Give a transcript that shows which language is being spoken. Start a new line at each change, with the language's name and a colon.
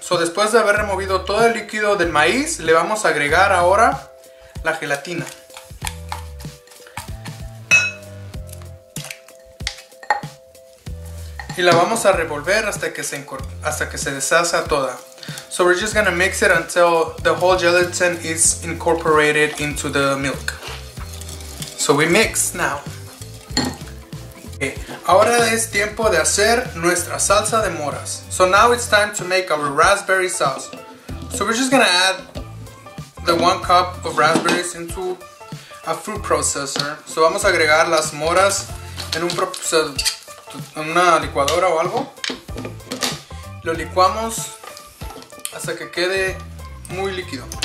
Spanish: So después de haber removido todo el líquido del maíz, le vamos a agregar ahora la gelatina. Y la vamos a revolver hasta que se deshaga toda.
English: So we're just gonna mix it until the whole gelatin is incorporated into the milk. So we mix now. Okay.
Spanish: Ahora es tiempo de hacer nuestra salsa de moras.
English: So now it's time to make our raspberry sauce. So we're just gonna add the 1 cup of raspberries into a fruit processor.
Spanish: So vamos a agregar las moras en una licuadora o algo. Lo licuamos hasta que quede muy líquido.